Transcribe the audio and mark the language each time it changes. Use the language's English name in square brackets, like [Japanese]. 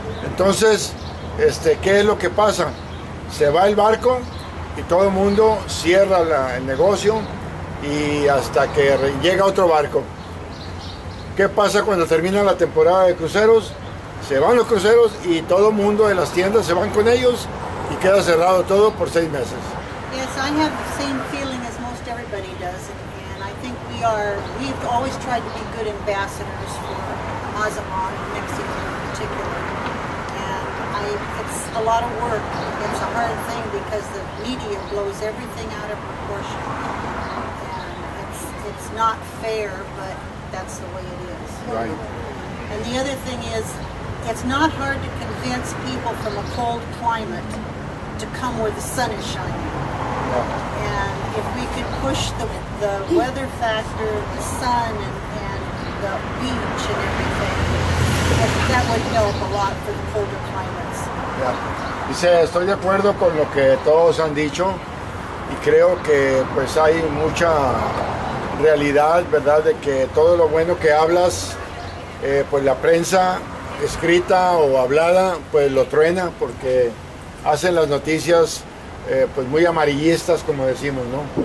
[Spanish] Entonces, ¿qué es lo que pasa? Se va el barco y todo el mundo cierra el negocio y hasta que llega otro barco. ¿Qué pasa cuando termina la temporada de cruceros? Se van los cruceros y todo el mundo de las tiendas se van con ellos y queda cerrado todo por 6 meses. [English] Yes, I have the same feeling as most everybody. everybody does. And I think we are, we've always tried to be good ambassadors for Mazatlan, Mexico in particular. And it's a lot of work. It's a hard thing because the media blows everything out of proportion. And it's not fair, but that's the way it is. Right. And the other thing is, it's not hard to convince people from a cold climate to come where the sun is shining. And if we could push the weather factor, the sun, and the beach and everything, that would help a lot for the colder climates. Yeah. [Spanish] Dice, estoy de acuerdo con lo que todos han dicho, y creo que pues hay mucha realidad, ¿verdad?, de que todo lo bueno que hablas, pues la prensa escrita o hablada, pues lo truena, porque hacen las noticias pues muy amarillistas, como decimos, ¿no?